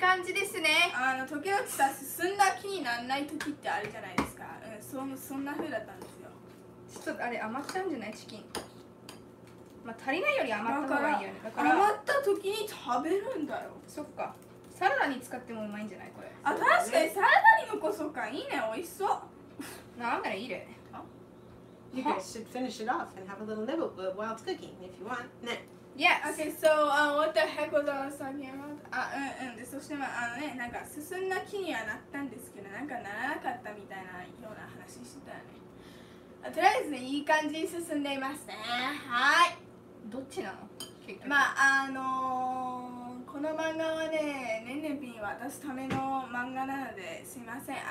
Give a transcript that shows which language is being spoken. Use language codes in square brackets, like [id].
[ja] なんだっけ?皆さん、今日の朝私ちょっとね、バンドの漫画をね、そういい加減に進んだんですけど、ちょっと進めたんですけどね、ちょっと難しいね、進めるのが。なんかね、楽しいんだけどね。よっしゃ、いい感じですね。時の時さ、進んだ気にならない時ってあるじゃないですか。そんな風だったんですよ。ちょっとあれ余っちゃうんじゃないチキン。まあ、足りないより余った方がいいよね。だから余った時に食べるんだよ。そっか。サラダに使ってもうまいんじゃないこれ。あ、確かにサラダに残そうか。いいね、おいしそう。なんだね、いいね。 [en] You guys should finish it off and have a little nibble while it's cooking if you want. Next. Yes. Okay, so what the heck was I talking about? [ja] で、そしてまあ、ね、なんか進んだ気にはなったんですけど、なんかならなかったみたいなような話してたよね。とりあえずね、いい感じに進んでいますね。はい。どっちなの？結局。まあ、この漫画はね、ねんねんぴんに渡すための漫画なので、すいません。